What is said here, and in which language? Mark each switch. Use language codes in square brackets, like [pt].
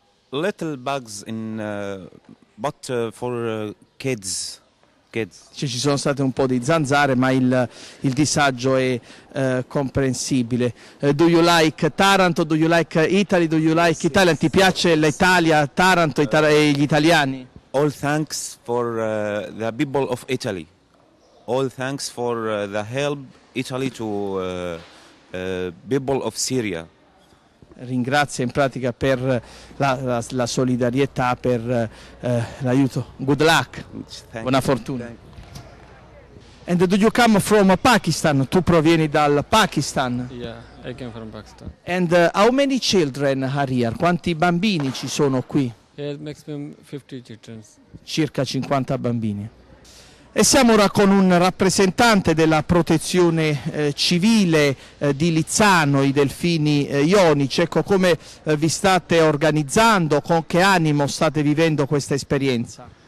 [en] Little bugs in but for kids. [it] Cioè, ci sono state un po' di zanzare, ma il disagio è comprensibile. [en] Do you like Taranto? Do you like Italy? Do you like Italy? [it] Ti piace l'Italia, Taranto e gli italiani? [en] All thanks for the people of Italy. All thanks for the help Italy to people of Syria. [it] Ringrazio in pratica per la solidarietà, per l'aiuto. [en] Good luck. Thank [it] buona fortuna. [en] And do you come from Pakistan? [it] Tu provieni dal Pakistan? [en] Yeah, I came from Pakistan. And how many children are here? [it] Quanti bambini ci sono qui? [en] Yeah, maximum 50 children. [it] Circa 50 bambini. E siamo ora con un rappresentante della protezione civile di Lizzano, i Delfini Ionici. Ecco, come vi state organizzando, con che animo state vivendo questa esperienza?